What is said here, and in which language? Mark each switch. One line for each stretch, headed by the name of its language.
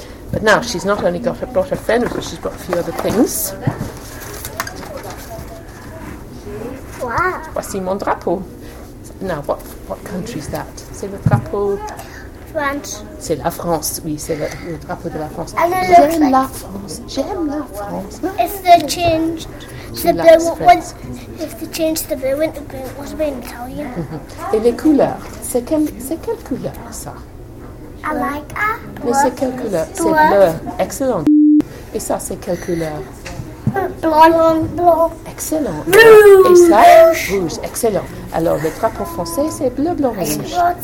English: But now she's not only brought her friend, but she's brought a few other things. Wow.
French: Voici mon drapeau.
English: Now, what country is that?
French: C'est le drapeau. France. C'est la France, oui, c'est le drapeau de la France.
English: And
French: j'aime
English: like
French: la France, j'aime la France.
English: If they changed the blue, was, if they changed the blue, the blue was being Italian.
French: Mm-hmm. Et les couleurs, c'est quelle couleur ça?
English: I like a.
French: Mais c'est quelle couleur?
English: Blue.
French: C'est bleu, excellent. Et ça, c'est quelle couleur? Blanc, blanc, blanc. Excellent. Rouge. Et ça, rouge, excellent. Alors, le drapeau français, c'est bleu, blanc, rouge.